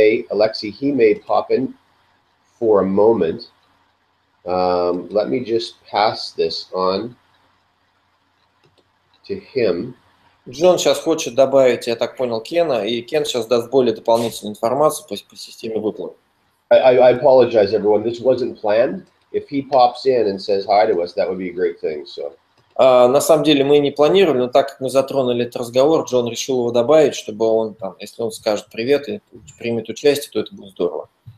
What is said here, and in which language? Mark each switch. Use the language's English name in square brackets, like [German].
[English] Alexei, he may pop in for a moment. Let me just pass this on to him. [Russian] Джон сейчас хочет добавить, я так понял, Кена, и Кен сейчас даст более дополнительную информацию по системе выплат. [English] I apologize, everyone. This wasn't planned. If he pops in and says hi to us, that would be a great thing. So. [Russian] На самом деле мы не планировали, но так как мы затронули этот разговор, Джон решил его добавить, чтобы он там, если он скажет привет и примет участие, то это будет здорово.